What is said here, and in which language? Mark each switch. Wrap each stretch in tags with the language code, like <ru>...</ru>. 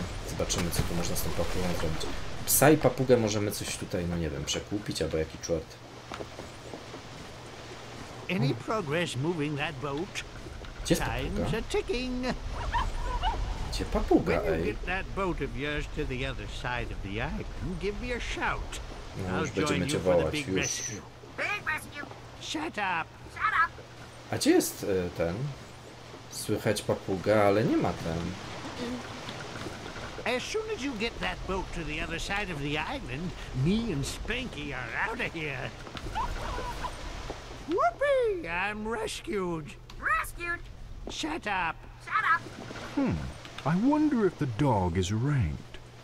<pl>zobaczymy, co tu można z tą papugą zrobić. Psa i papugę możemy coś tutaj, no nie wiem, przekupić, albo jaki czwart.</pl> <en>Any progress moving that boat?</en> <pl>Gdzie jest papuga?</pl> <en>Time's a ticking.</en> <pl>Gdzie papuga, ej?</pl> <en>When you get that boat of yours to the other side of the island, give me a shout.</en> <pl>No, już będziemy cię wołać, już.</pl> <en>Big rescue! Shut up! Shut up!</en> <pl>A gdzie jest ten? Słychać papuga, ale nie ma ten.</pl> <en>As soon as you get that boat to the other side of the island, me and Spanky are out of here. Whoopee! I'm rescued. Rescued? Shut up. Shut up. Hmm. I wonder if the dog is ranked.</en>